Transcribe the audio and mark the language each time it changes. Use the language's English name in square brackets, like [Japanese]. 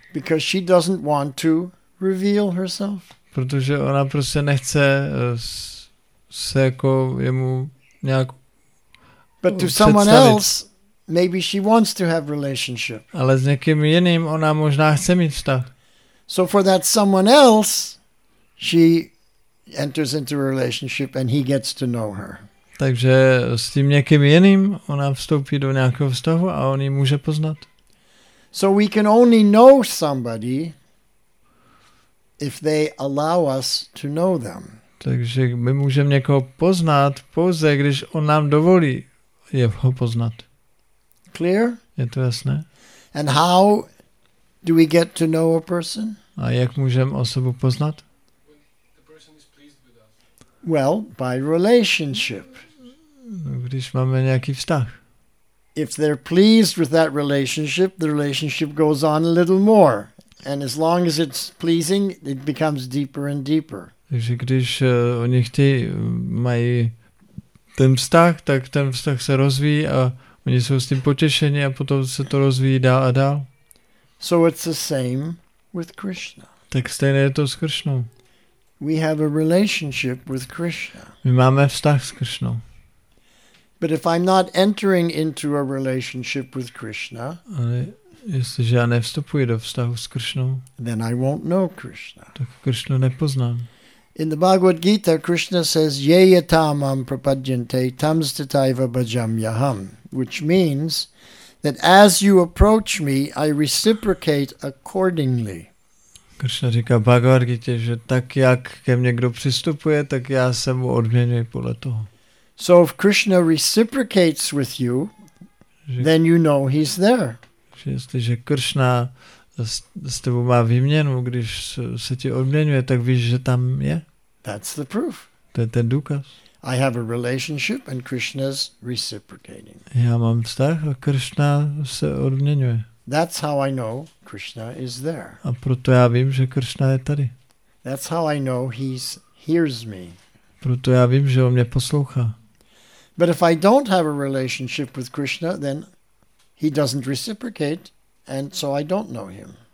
[English] Because she doesn't want to reveal herself. [Czech] Protože ona prostě nechce se jako jemu nějak [English] But to [Czech] představit. [English] Someone else, maybe she wants to have relationship. [Czech] Ale s někým jiným ona možná chce mít vztah. [English] So for that someone else, she enters into a relationship and he gets to know her. [Czech] Takže s tím někým jiným ona vstoupí do nějakého vztahu a on ji může poznat. [English] So we can only know somebody if they allow us to know them. [Czech] Takže my můžeme někoho poznat pouze, když on nám dovolí jeho poznat. [English] Clear? [Czech] Je to jasné? [English] And how do we get to know a person? [Czech] A jak můžeme osobu poznat? [English] Well, by relationship. [Czech] Když máme nějaký vztah. [English] If they're pleased with that relationship, the relationship goes on a little more. And as long as it's pleasing, it becomes deeper and deeper. [Czech] Takže když oni chtějí, mají ten vztah, tak ten vztah se rozvíjí a oni jsou s tím potěšeni a potom se to rozvíjí dál a dál. [English] So it's the same with Krishna. [Czech] Tak stejné je to s Krishnou. [English] We have a relationship with Krishna. [Czech] My máme vztah s Krishnou. [English] But if I'm not entering into a relationship with Krishna, [Czech] ale jestliže já nevstupuji do vztahu s Krishnou, [English] then I won't know Krishna. [Czech] Tak Krishnu nepoznám. [English] In the Bhagavad Gita, Krishna says, [Sanskrit] "Yeya tamam prapadyante tamstitaiva bhajam yaham," [English] which means that as you approach me, I reciprocate accordingly. [Czech] Krishna říká v Bhagavad Gita, že tak jak ke mně kdo přistupuje, tak já se mu odměňuji podle toho. [English] So if Krishna reciprocates with you, then you know he's there. [Czech] Jestliže Krishna s tebou má výměnu, když se ti odměňuje, tak víš, že tam je. [English] That's the proof. [Czech] To je ten důkaz. [English] I have a relationship and Krishna's reciprocating. [Czech] Já mám vztah a Krishna se odměňuje. [English] That's how I know Krishna is there. [Czech] A proto já vím, že Krishna je tady. [English] That's how I know he hears me. [Czech] Proto já vím, že on mě poslouchá. [English] But if I don't have a relationship with Krishna, then he doesn't reciprocate, and so I don't know him.